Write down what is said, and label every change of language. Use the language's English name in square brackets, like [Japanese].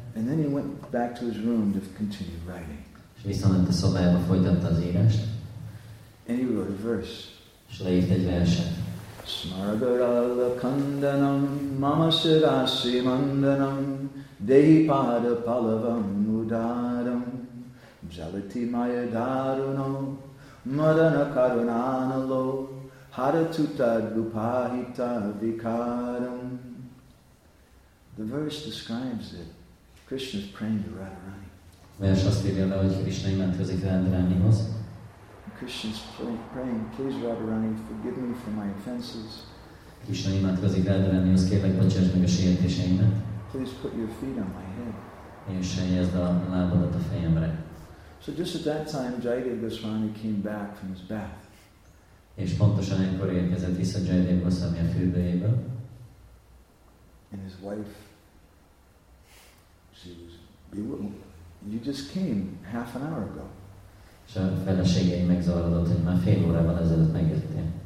[English] And then he went back to his room to continue writing. [Hungarian] És visszament a szobájába, folytatta az írást. [English] And he wrote a verse. [Hungarian] Leírt egy verset. [Sanskrit] Smargarala kandanam mamasirasi mandanam deipada palavam udaram jalati maya darunam madana karunanalo haratuta dupahita vikaram. [English] The verse describes that Krishna is praying to Radharani. [Hungarian] Vers azt írja le, hogy Krishna imádkozik Radharanihoz. [English] Krishna's praying, please Radharani, forgive me for my offenses. [Hungarian] Krishna imádkozik Radharani, azt kérlek, bocsáss meg a sértéseimet. [English] Please put your feet on my head. [Hungarian] És helyezd a lábadat a fejemre. [English] So just at that time, Jayadev Goswami came back from his bath. [Hungarian] És pontosan ekkor érkezett vissza Jayadev Goswami a fürdőjéből. [English] And his wife, she was, you just came half an hour ago. [Hungarian] És a feleségei megzavarodott, hogy már fél órával ezelőtt megjöttél.